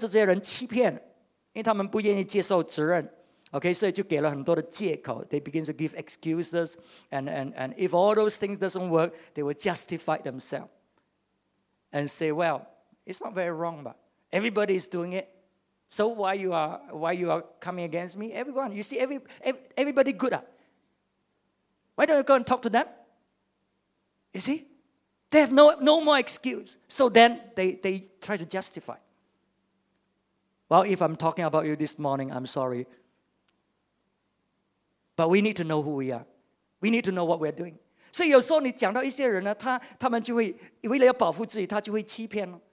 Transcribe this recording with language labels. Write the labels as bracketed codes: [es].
[zh] 所以在这种光景里面呢，甚至这些人欺骗，因为他们不愿意接受责任。 Okay, 所以就给了很多的借口. [en] They begin to give excuses, and if all those things doesn't work, they will justify themselves and say, well, it's not very wrong, but everybody is doing it. So why you are coming against me? Everyone, you see everybody good. Why don't you go and talk to them? You see? They have no more excuse. So then they try to justify. Well, if I'm talking about you this morning, I'm sorry. But we need to know who we are. We need to know what we're doing. [zh] 所以有时候你讲到一些人呢，他们就会为了要保护自己，他就会欺骗。